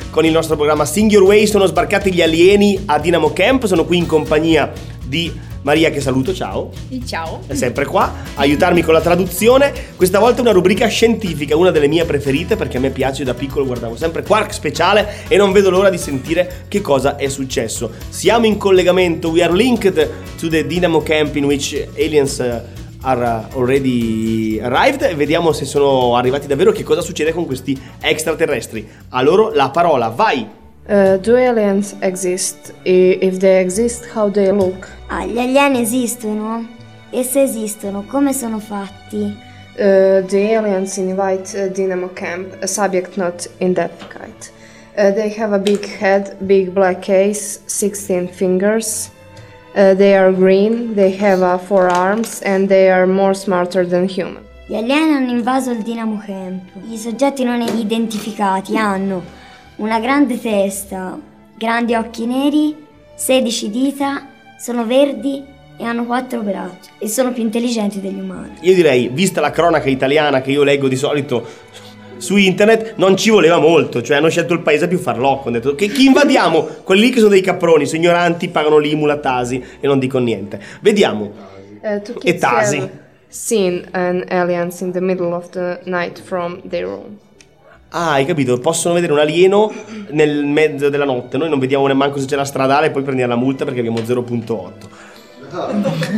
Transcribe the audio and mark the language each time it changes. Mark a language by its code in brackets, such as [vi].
[it] Con il nostro programma Sing Your Way sono sbarcati gli alieni a Dinamo Camp. Sono qui in compagnia di Maria, che saluto, ciao. Ciao. È sempre qua, aiutarmi con la traduzione. Questa volta una rubrica scientifica, una delle mie preferite, perché a me piace, da piccolo guardavo sempre Quark Speciale e non vedo l'ora di sentire che cosa è successo. Siamo in collegamento, [en] we are linked to the Dynamo Camp in which aliens are already arrived. [it] Vediamo se sono arrivati davvero, che cosa succede con questi extraterrestri. A loro la parola, vai! [en] Do aliens exist? If they exist, how they look? [it] Ah, gli alieni esistono? E se esistono, come sono fatti? [en] The aliens invite Dinamo Camp, a subject not identified. They have a big head, big black case, 16 fingers. They are green, they have four arms, and they are more smarter than human. [it] Gli alieni hanno invaso il Dinamo Camp. I soggetti non identificati hanno una grande testa, grandi occhi neri, 16 dita, sono verdi e hanno 4 braccia e sono più intelligenti degli umani. Io direi, vista la cronaca italiana che io leggo di solito su internet, non ci voleva molto, cioè hanno scelto il paese più farlocco, hanno detto che chi invadiamo? Quelli lì che sono dei caproni, sono ignoranti, pagano l'IMU, la TASI e non dico niente. Vediamo. E TASI. [en] Seen an aliens in the middle of the night from their room. [it] Ah, hai capito, possono vedere un alieno nel mezzo della notte. Noi non vediamo nemmeno se c'è la stradale e poi prendiamo la multa perché abbiamo 0.8.